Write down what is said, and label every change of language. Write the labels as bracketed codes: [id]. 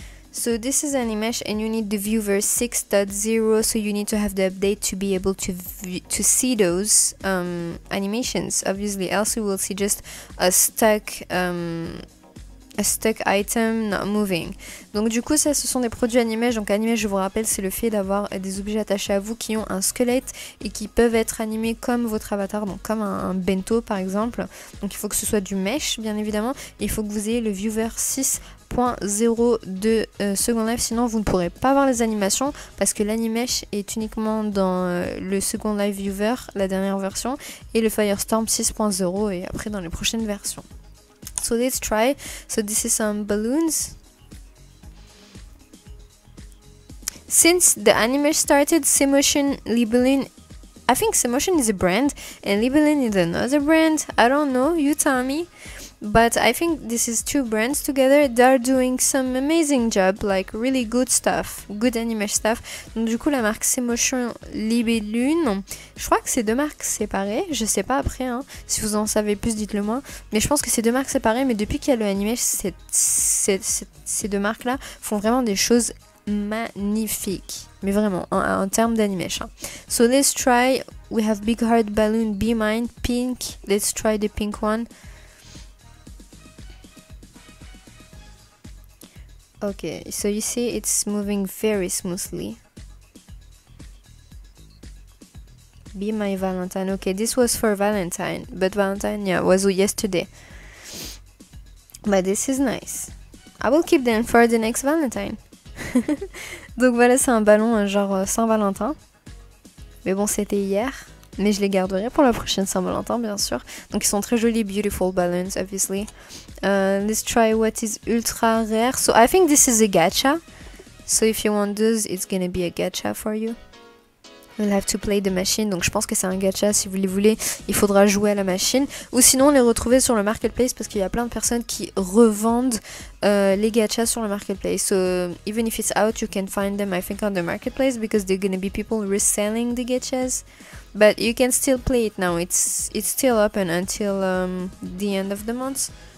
[en] So this is animesh and you need the view version 6.0, so you need to have the update to be able to see those animations, obviously, else you will see just a stuck item not moving. [fr] Donc du coup ça, ce sont des produits animesh. Donc animesh, je vous rappelle, c'est le fait d'avoir des objets attachés à vous qui ont un squelette et qui peuvent être animés comme votre avatar, donc comme un bento par exemple. Donc il faut que ce soit du mesh bien évidemment, il faut que vous ayez le viewer 6.0 de Secondlife, sinon vous ne pourrez pas voir les animations parce que l'animesh est uniquement dans le Secondlife viewer, la dernière version, et le Firestorm 6.0 et après dans les prochaines versions. [en] So let's try. So this is some balloons. Since the anime started, Simotion, Libellin, I think Simotion is a brand and Libellin is another brand. I don't know, you tell me. But I think this is two brands together. They are doing some amazing job, like really good stuff, good anime stuff. [fr] Donc du coup la marque Simotion Libellune, je crois que c'est deux marques séparées, je sais pas après hein, si vous en savez plus dites le moi, mais je pense que c'est deux marques séparées, mais depuis qu'il y a le anime, ces deux marques là font vraiment des choses magnifiques, mais vraiment en termes d'anime. [en] Hein. So let's try, we have big heart balloon, be mine, pink, let's try the pink one. Okay, so you see it's moving very smoothly. Be my Valentine. Okay, this was for Valentine, but Valentine, yeah, was yesterday. But this is nice. I will keep them for the next Valentine. [fr] Donc voilà, c'est un ballon genre Saint-Valentin. Mais bon, c'était hier. Mais je les garderai pour la prochaine Saint-Valentin, bien sûr. Donc ils sont très jolis, [en] beautiful balloons, obviously. Let's try what is ultra rare. So I think this is a gacha. So if you want those, it's gonna be a gacha for you. You'll have to play the machine. [fr] Donc je pense que c'est un gacha, si vous les voulez, il faudra jouer à la machine. Ou sinon les retrouver sur le marketplace, parce qu'il y a plein de personnes qui revendent les gachas sur le marketplace. [en] So even if it's out, you can find them, I think, on the marketplace, because there are gonna be people reselling the gachas. But you can still play it now, it's still open until the end of the month.